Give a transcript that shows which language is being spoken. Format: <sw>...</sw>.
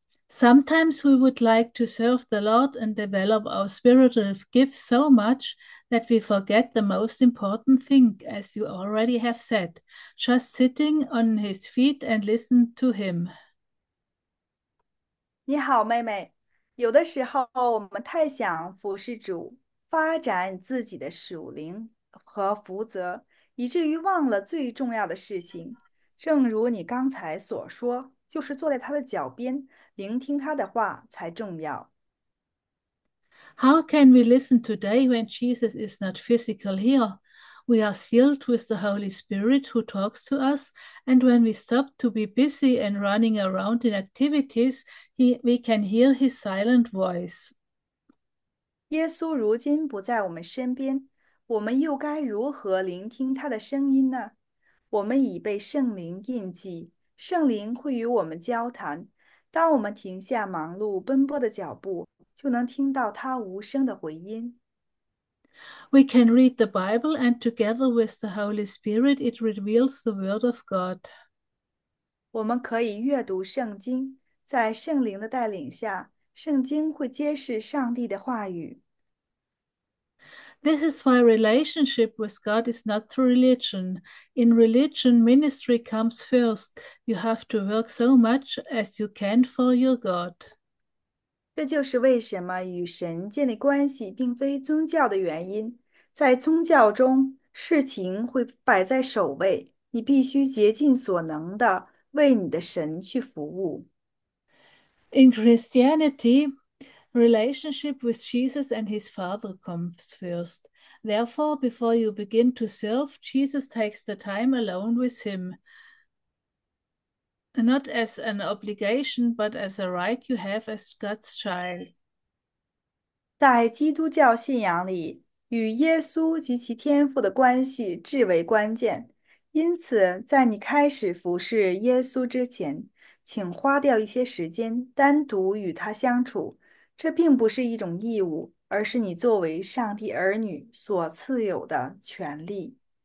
<en>Sometimes we would like to serve the Lord and develop our spiritual gifts so much that we forget the most important thing, as you already have said, just sitting on his feet and listen to him.</en> <zh>你好，妹妹。有的时候，我们太想服侍主，发展自己的属灵和福泽，以至于忘了最重要的事情。正如你刚才所说，就是坐在他的脚边，聆听他的话才重要。</zh> <en>How can we listen today when Jesus is not physical here? We are sealed with the Holy Spirit who talks to us, and when we stop to be busy and running around in activities, we can hear his silent voice.</en> <zh>耶稣如今不在我们身边，我们又该如何聆听他的声音呢？我们已被圣灵印记，圣灵会与我们交谈。当我们停下忙碌奔波的脚步，就能听到他无声的回音。</zh> <en>We can read the Bible, and together with the Holy Spirit, it reveals the Word of God.</en> <zh>我们可以阅读圣经，在圣灵的带领下，圣经会揭示上帝的话语。</zh> <en>This is why relationship with God is not through religion. In religion, ministry comes first. You have to work so much as you can for your God.</en> <zh>这就是为什么与神建立关系并非宗教的原因。在宗教中，事情会摆在首位，你必须竭尽所能的为你的神去服务。</zh> <en>In Christianity, relationship with Jesus and his Father comes first. Therefore, before you begin to serve, Jesus takes the time alone with him, not as an obligation, but as a right you have as God's child.</en> <zh>在基督教信仰里，与耶稣及其天父的关系至为关键。因此，在你开始服侍耶稣之前，请花掉一些时间单独与他相处。这并不是一种义务，而是你作为上帝儿女所赐有的权利。</zh>